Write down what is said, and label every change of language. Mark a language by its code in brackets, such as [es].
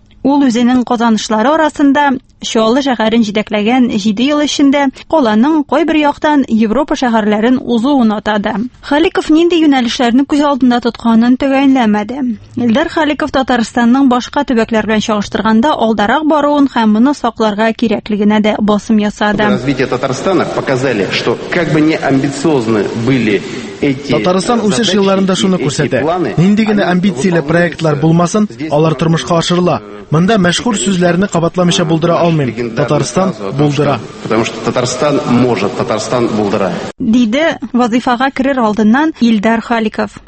[tt] Ул үзенең казанышлары арасында Шиолы шәһәрен җитәкләгән 7 ел эчендә Коланың кайбер яктан Европа шәһәрләрен узуын атады. Халиков нинди юнәлешләрне күз алдында тотканын төгәлләмәде. Илдар Халиков Татарстанның башка төбәкләр белән чагыштырганда алдарак баруын һәм моны сакларга кирәклегенә дә басым ясады. [ru] Развитие Татарстана показали, что как бы не амбициозны были [tt] Татарстан үсеш елларында шуны күрсәтә. Нинди генә амбицияле проектлар булмасын, алар тормышка ашырыла. Монда мәшһүр сүзләрне кабатламыйча булдыра алмыйм. Татарстан булдыра. [ru] Потому что Татарстан может, [tt] Татарстан булдыра. Диде вазифага керер алдыннан Илдар Халиков.